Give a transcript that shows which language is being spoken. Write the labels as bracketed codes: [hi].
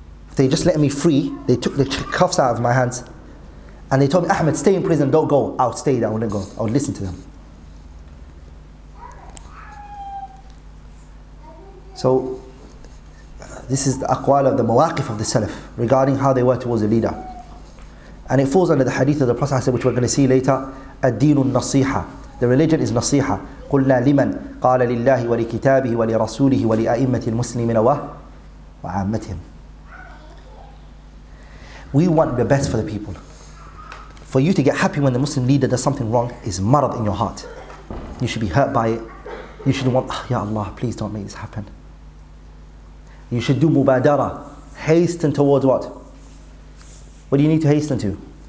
[en] If they just let me free, they took the cuffs out of my hands. And they told me, Ahmad, stay in prison, don't go. I'll stay there, I wouldn't go. I would listen to them. So, this is the aqwal of the mawaqif of the salaf regarding how they were towards the leader. And it falls under the hadith of the Prophet, which we're going to see later. [ar] الدين النصيحة. [en] The religion is nasiha. [ar] قلنا لمن قال لله ولكتابه ولرسوله ولأئمة المسلمين وعامتهم. [en] We want the best for the people. For you to get happy when the Muslim leader does something wrong is marad in your heart. You should be hurt by it. You should want, oh, Ya Allah, please don't make this happen. You should do mubadara. Hasten towards what? What do you need to hasten to?